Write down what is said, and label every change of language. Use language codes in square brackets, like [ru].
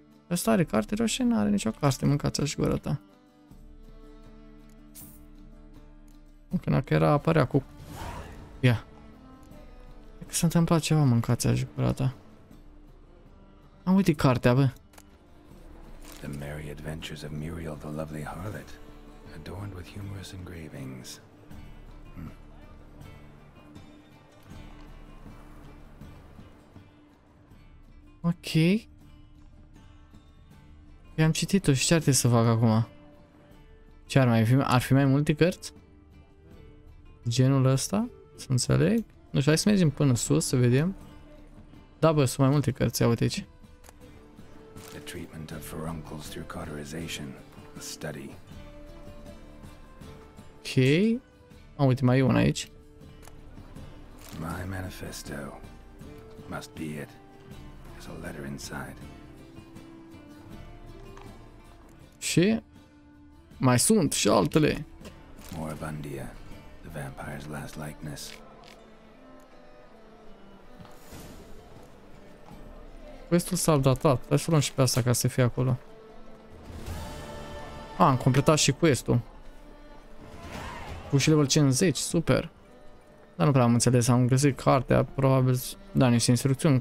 [ro] Ăsta are carte roșie? N-are nicio carte, mâncați-o și gura ta. Încă dacă era, apărea cu... Ia. Cred că s-a întâmplat ceva, mâncați-o și gura ta. Am uitat cartea, bă. [en] The merry adventures of Muriel, the lovely harlot, adorned with humorous engravings. Ok. [ro] I-am citit-o și ce ar trebui să fac acum? Ce ar mai fi? Ar fi mai multe cărți? Genul ăsta? Să înțeleg? Nu știu, hai să mergem până sus să vedem. Da, bă, sunt mai multe cărți, ia uite aici. [en] Treatment of furuncles through cauterization, a study. [ro] Okay. Oh, uite, mai e una aici. [en] My manifesto must be it. There's a letter inside. [ro] Și mai sunt și altele. [en] Moribundia, the vampire's last likeness. [ro] Questul s-a updatat, hai să luăm și pe asta ca să fie acolo. A, am completat și questul. Cu și level 50, super. Dar nu prea am înțeles, am găsit cartea, probabil, da, niște instrucțiuni.